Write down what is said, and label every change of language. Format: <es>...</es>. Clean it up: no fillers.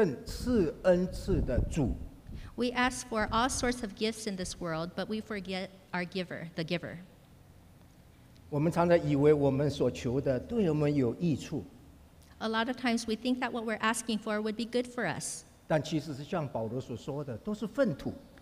<zh>我们祈求这些世上各样属世的恩赐，却忘记了那位真正赐恩赐的主。</zh> <en>We ask for all sorts of gifts in this world, but we forget our giver, the giver.</en> <zh>我们常常以为我们所求的对我们有益处。</zh> <en>A lot of times we think that what we're asking for would be good for us.</en> <zh>但其实是像保罗所说的，都是粪土。</zh>